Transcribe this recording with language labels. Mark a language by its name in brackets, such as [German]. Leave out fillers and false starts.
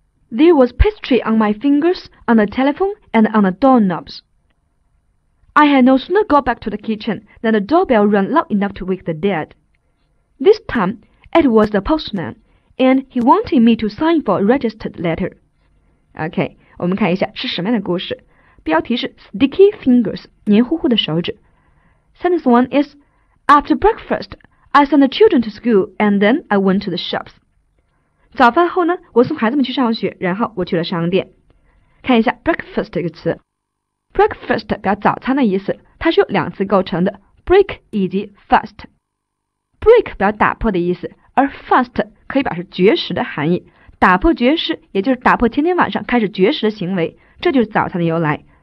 [English] There was pastry on my fingers, on the telephone, and on the doorknobs. I had no sooner got back to the kitchen than the doorbell rang loud enough to wake the dead. This time, it was the postman, and he wanted me to sign for a registered letter. [Chinese] OK, 我们看一下是什么样的故事。标题是 Sticky Fingers, 黏糊糊的手指。 [English] Sentence 1 is, After breakfast, I sent the children to school, and then I went to the shops. [Chinese] 早饭后呢，我送孩子们去上学，然后我去了商店。看一下 breakfast 这个词， breakfast 表早餐的意思，它是由两次构成的 break 以及 fast。 break 表打破的意思，而 fast 可以表示绝食的含义，打破绝食也就是打破天天晚上开始绝食的行为，这就是早餐的由来。